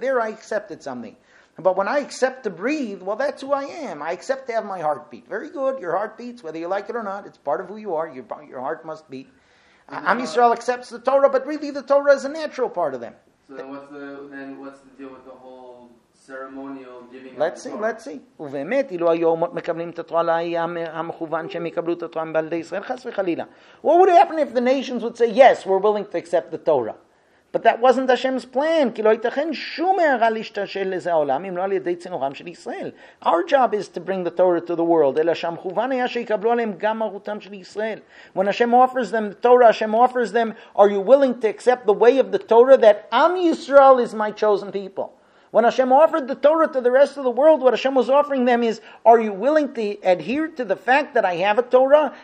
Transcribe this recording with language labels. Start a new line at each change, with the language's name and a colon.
English: There I accepted something. But when I accept to breathe, well, that's who I am. I accept to have my heartbeat. Very good, your heart beats, whether you like it or not. It's part of who you are. Your heart must beat. Am Yisrael accepts the Torah, but really the Torah is a natural part of them. So then what's the deal with the whole... ceremonial giving. Let's see.
Hebrew: ובאמת, אילו היו אומות מקבלים את התורה להיה המכוון שהם יקבלו את התורה מבלדי ישראל, חס וחלילה.
English: What would happen if the nations would say, yes, we're willing to accept the Torah? But that wasn't Hashem's plan,
Hebrew: כי לא ייתכן שום הערה להשתשל לזה העולם, אם לא על ידי צינורם של ישראל.
English: Our job is to bring the Torah to the world,
Hebrew: אלא שהמכוון היה שיקבלו עליהם גם מרותם של ישראל.
English: When Hashem offers them the Torah, Hashem offers them, are you willing to accept the way of the Torah that Am Yisrael is my chosen people? When Hashem offered the Torah to the rest of the world, what Hashem was offering them is, are you willing to adhere to the fact that I have a Torah?